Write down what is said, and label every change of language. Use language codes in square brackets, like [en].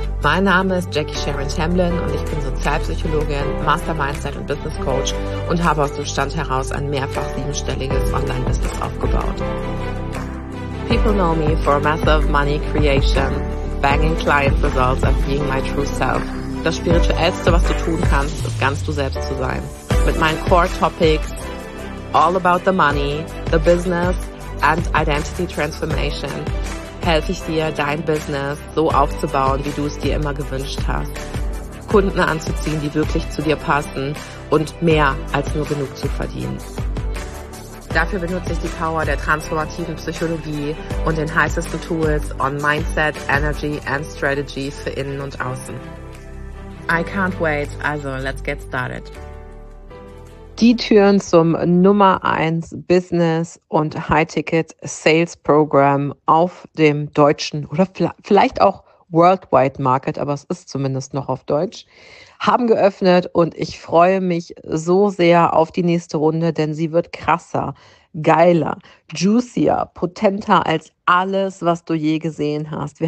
[de] Mein Name ist Jackie Sharon Tamblyn und ich bin Sozialpsychologin, Master Mindset und Business Coach und habe aus dem Stand heraus ein mehrfach siebenstelliges Online-Business aufgebaut. [en] People know me for massive money creation, banging client results and being my true self. [de] Das Spirituellste, was du tun kannst, ist ganz du selbst zu sein. Mit meinen Core Topics, [en] all about the money, the business and identity transformation, [de] helfe ich dir, dein Business so aufzubauen, wie du es dir immer gewünscht hast. Kunden anzuziehen, die wirklich zu dir passen und mehr als nur genug zu verdienen. Dafür benutze ich die Power der transformativen Psychologie und den heißesten Tools [en] on Mindset, Energy and Strategy [de] für innen und außen. [en] I can't wait, also let's get started. [de] Die Türen zum Nummer 1 Business und High-Ticket Sales Program auf dem deutschen oder vielleicht auch Worldwide Market, aber es ist zumindest noch auf Deutsch, haben geöffnet und ich freue mich so sehr auf die nächste Runde, denn sie wird krasser, geiler, juicier, potenter als alles, was du je gesehen hast.